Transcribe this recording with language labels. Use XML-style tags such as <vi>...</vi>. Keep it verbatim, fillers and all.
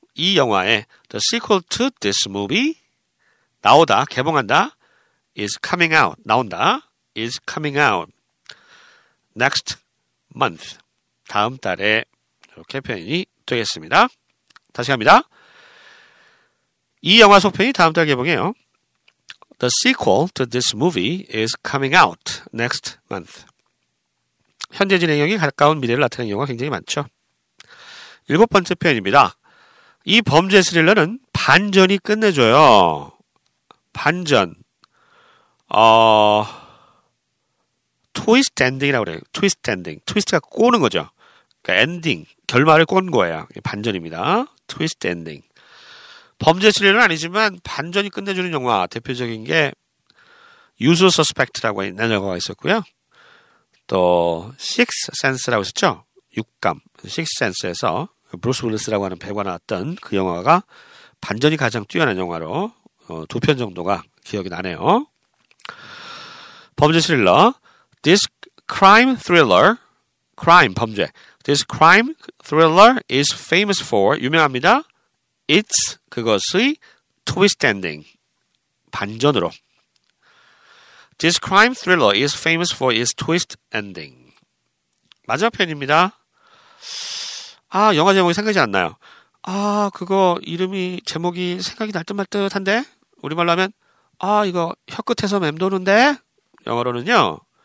<ko>이 영화에</ko> <en>The sequel to this movie</en> <ko>나오다, 개봉한다</ko> <en>is coming out,</en> <ko>나온다</ko> <en>is coming out next month</en> <ko>다음 달에 이렇게 표현이 되겠습니다. 다시 갑니다. 이 영화 속편이 다음 달 개봉해요.</ko> <en>The sequel to this movie is coming out next month</en> <ko>현재 진행형이 가까운 미래를 나타내는 영화 굉장히 많죠. 일곱 번째 표현입니다. 이 범죄 스릴러는 반전이 끝내줘요. 반전. 어, 트위스트 엔딩이라고 그래요. 트위스트 엔딩. 트위스트가 꼬는 거죠. 그러니까 엔딩. 결말을 꼰 거예요. 반전입니다. 트위스트 엔딩. 범죄 스릴러는 아니지만 반전이 끝내주는 영화. 대표적인 게 유수 서스펙트라고 있는 영화가 있었고요. 또 식스 센스라고 있었죠. 육감. 식스 센스에서 브루스 윌리스라고 하는 배우가 나왔던 그 영화가 반전이 가장 뛰어난 영화로 어, 두 편 정도가 기억이 나네요. 범죄 스릴러</ko> <en>This crime thriller crime</en> <ko>범죄</ko> <en>This crime thriller is famous for</en> <ko>유명합니다.</ko> <en>It's</en> <ko>그것의</ko> <en>twist ending</en> <ko>반전으로</ko> <en>This crime thriller is famous for its twist ending</en> <ko>마지막 편입니다. 아, 영화 제목이 생각이 안 나요. 아, 그거 이름이 제목이 생각이 날 듯 말 듯한데 우리말로 하면 아, 이거 혀 끝에서 맴도는데 영어로는요.</ko>